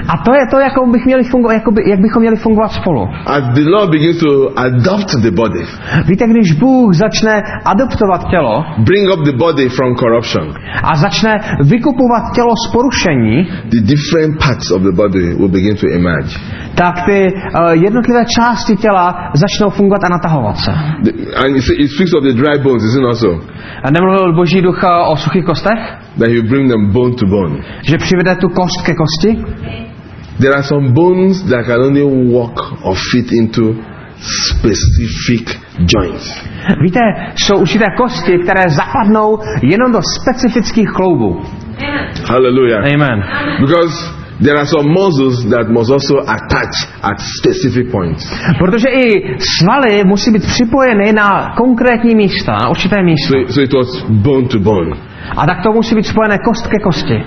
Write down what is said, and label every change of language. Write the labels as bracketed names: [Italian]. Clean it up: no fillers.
[Czech] A to je to, jak bychom měli fungovat spolu. [English] As the Lord begins to adopt the body. [Czech] Víte, když Bůh začne adoptovat tělo. [English] Bring up the body from corruption. [Czech] A začne vykupovat tělo z porušení. [English] The different parts of the body will begin to emerge. [Czech] Tak ty jednotlivé části těla začnou fungovat a natahovat se. [English] And it speaks of the dry bones, isn't it so? [Czech] A nemluvil Boží duch o suchých kostech? [English] That he will bring them bone to bone. [Czech] Že přivede tu kost ke kosti? [English] There are some bones that can only walk or fit into specific joints. [Czech] Víte, jsou určité kosti, které zapadnou jenom do specifických kloubů. [English] Hallelujah. Amen. Because There are some muscles that must also attach at specific points. [Czech] Protože i svaly musí být připojeny na konkrétní místa, na určité místo. [English] So it was bone to bone. [Czech] A tak to musí být spojené kost ke kosti.